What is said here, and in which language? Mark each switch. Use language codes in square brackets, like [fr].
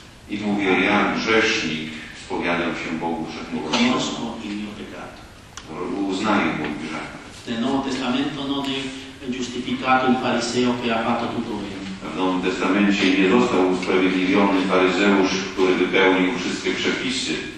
[pl] I mówię, ja grzesznik spowiadam się Bogu Wszechmogącemu. Uznaję mój grzech. Ten Nowy Testament [it] non è giustificato il fariseo che ha fatto tutto bene. [pl] W Nowym Testamencie nie został usprawiedliwiony faryzeusz, który wypełnił wszystkie przepisy.